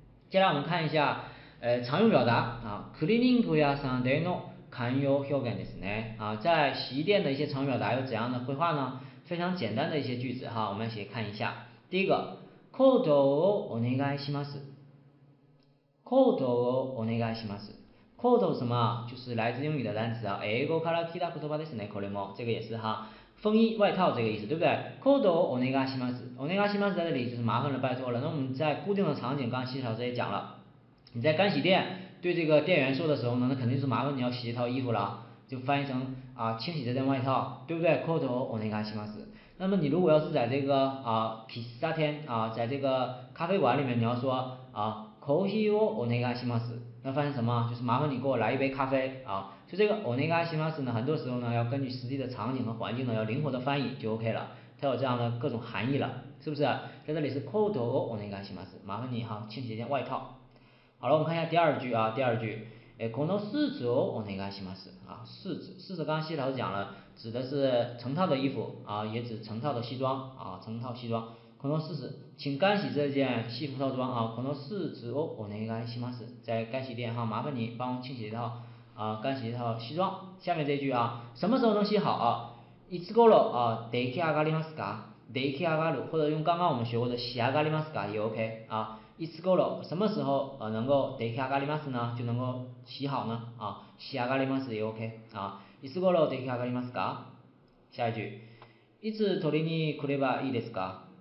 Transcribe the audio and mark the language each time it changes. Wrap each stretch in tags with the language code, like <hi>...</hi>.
<zh>接下来我们看一下、常用表达啊，</zh> <ja>クリーニング屋さんでの慣用表現ですね。</ja> <zh>啊，在洗衣店的一些常用表达有怎样的绘画呢？非常简单的一些句子哈，我们一起看一下。</zh> <ja>第一个，コートをお願いします。コートをお願いします。</ja> <zh>coat 什么？就是来自英语的单词啊，</zh> <ja>英语から来た言葉ですね。</ja> <zh>これも这个也是哈，风衣、外套这个意思，对不对 ？coat をお願いします。お願いします在这里就是麻烦了，拜托了。那我们在固定的场景，刚刚西老师也讲了，你在干洗店对这个店员说的时候呢，那肯定是麻烦你要洗一套衣服了，就翻译成啊清洗这件外套，对不对 ？</zh> <ja>coat をお願いします。</ja> <zh>那么你如果要是在这个啊喫茶店啊，在这个咖啡馆里面，你要说啊</zh> <ja>コーヒーをお願いします。</ja> <zh>那翻译什么？就是麻烦你给我来一杯咖啡啊！就这个お願いします呢，很多时候呢要根据实际的场景和环境呢要灵活的翻译就 OK 了，它有这样的各种含义了，是不是？在这里是</zh> <ja>コートをお願いします，</ja> <zh>麻烦你哈，清洗一件外套。好了，我们看一下第二句啊，第二句，</zh> <ja>このスーツをお願いします</ja> <zh>啊，スーツ，スーツ刚刚西老师讲了，指的是成套的衣服啊，也指成套的西装啊，成套西装。このスーツ、请干洗这件西服套装啊。</zh> <ja>このスーツをお願いします。</ja> <zh>在干洗店哈，麻烦你帮我清洗一套啊，干洗一套西装。下面这句啊，什么时候能洗好啊？</zh> <ja>いつ頃啊，出来上がりますか？</ja> <zh>出来上がる，或者用刚刚我们学过的仕上がりますか也 OK 啊。いつ頃，什么时候能够出来上がります呢？就能够洗好呢？啊，仕上がります也 OK 啊。</zh> <ja>いつ頃出来上がりますか？下一句，いつ取りに来ればいいですか？</ja>